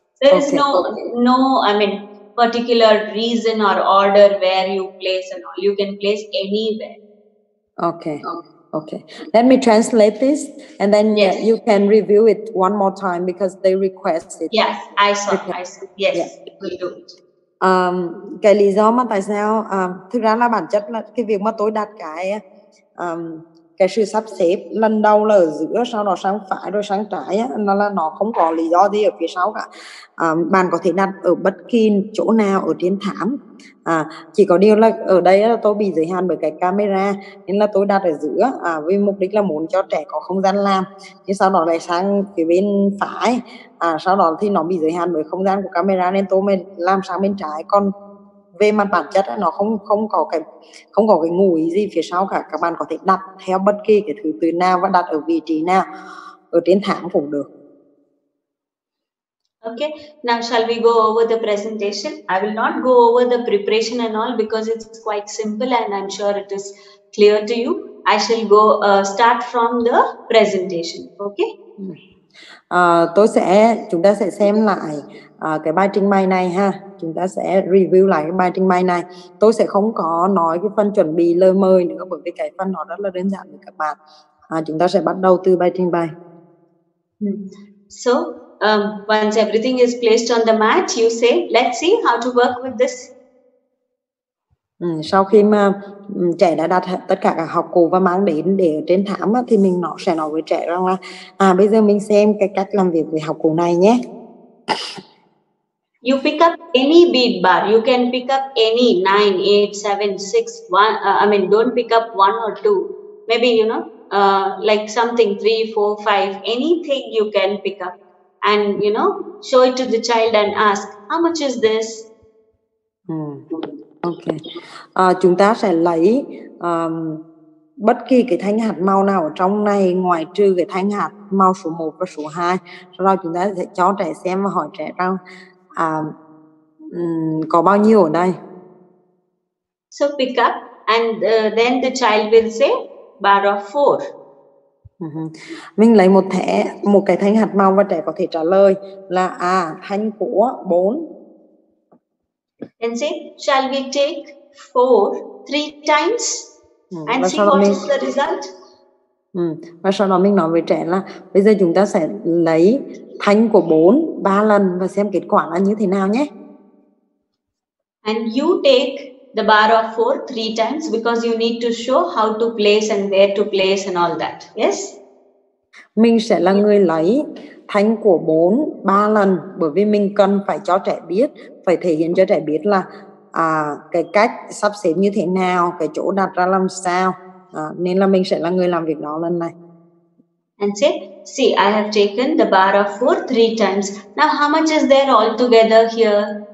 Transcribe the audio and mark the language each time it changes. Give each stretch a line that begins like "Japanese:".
English: There is no particular reason or order where you place and all. You can place anywhere. Okay. Let me translate this and then you can review it one more time because they request it. Yes, I saw. Yes, we'll do it.
Vietnamese: Cái lý do mà tại sao, thực ra là bản chất là cái việc mà tôi đặt cái sự sắp xếp lần đầu là ở giữa, sau đó sang phải rồi sang trái á, nó là nó không có lý do gì ở phía sau cả. Bạn có thể đặt ở bất kỳ chỗ nào ở trên thảm, chỉ có điều là ở đây là tôi bị giới hạn bởi cái camera nên là tôi đặt ở giữa, vì mục đích là muốn cho trẻ có không gian làm, nhưng sau đó lại sang phía bên phải, sau đó thì nó bị giới hạn bởi không gian của camera nên tôi mới làm sang bên trái. Còn về mặt bản chất nó không có cái ngụ ý gì phía sau cả. Các bạn có thể đặt theo bất kỳ cái thứ tự nào và đặt ở vị trí nào ở trên thảm cũng được.
English: Okay, now shall we go over the presentation? I will not go over the preparation and all because it's quite simple and I'm sure it is clear to you. I shall go start from the presentation. Okay.
Vietnamese: Chúng ta sẽ xem lại cái bài trình bày này ha. Chúng ta sẽ review lại cái bài trình bày này. Tôi sẽ không có nói cái phần chuẩn bị lời mời nữa bởi vì cái phần nó rất là đơn giản với các bạn. Chúng ta sẽ bắt đầu từ bài trình bày.
English: So, once everything is placed on the mat, you say, let's see how to work with this.
Vietnamese: Sau khi mà trẻ đã đặt tất cả các học cụ và mang đến để trên thảm thì mình sẽ nói với trẻ rằng là bây giờ mình xem cái cách làm việc với học cụ này nhé.
English: You pick up any bead bar. You can pick up any 9, 8, 7, 6, 1. Don't pick up 1 or 2. Maybe, you know, like something 3, 4, 5. Anything you can pick up. And, you know, show it to the child and ask, how much is this? Okay.
Vietnamese: Chúng ta sẽ lấy bất kỳ cái thanh hạt màu nào ở trong này ngoài trừ cái thanh hạt màu số 1 và số 2. Sau đó chúng ta sẽ cho trẻ xem và hỏi trẻ rằng có bao nhiêu ở đây.
English: So pick up and then the child will say bar of 4.
Vietnamese: Mình lấy một cái thanh hạt màu và trẻ có thể trả lời là thanh của 4.
English: And say, shall we take 4, 3 times and see what is the result?
Vietnamese: Và sau đó mình nói với trẻ là bây giờ chúng ta sẽ lấy thanh của 4, 3 lần và xem kết quả là như thế nào nhé.
English: And you take the bar of 4, 3 times because you need to show how to place and where to place and all that. Yes?
Vietnamese: Mình sẽ là người lấy thanh của 4, 3 lần bởi vì mình cần phải cho trẻ biết, phải thể hiện cho trẻ biết là cái cách sắp xếp như thế nào, cái chỗ đặt ra làm sao. Nên là mình sẽ là người làm việc đó lần này.
English: And say, see, I have taken the bar of 4, 3 times. Now how much is there all together here?